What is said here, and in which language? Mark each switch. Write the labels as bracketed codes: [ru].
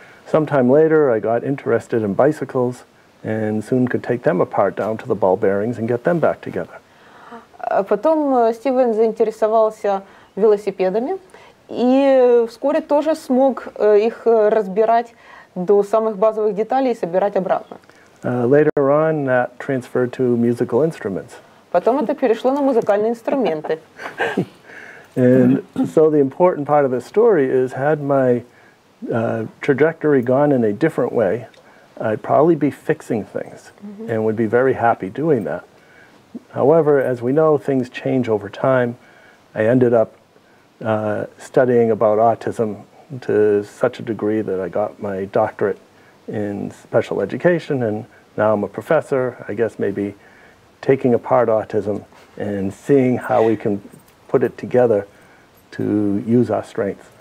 [en] Sometime later I got interested in bicycles and soon could take them apart down to the ball bearings and get them back together. [ru] Потом Стивен заинтересовался велосипедами и вскоре тоже смог их разбирать до самых базовых деталей и собирать обратно. [en] Later on that transferred to musical instruments. [ru] Потом это перешло на музыкальные инструменты. [en] And so the important part of the story is, had my trajectory gone in a different way, I'd probably be fixing things and would be very happy doing that. However, as we know, things change over time. I ended up studying about autism to such a degree that I got my doctorate in special education, and now I'm a professor, I guess maybe taking apart autism and seeing how we can put it together to use our strengths.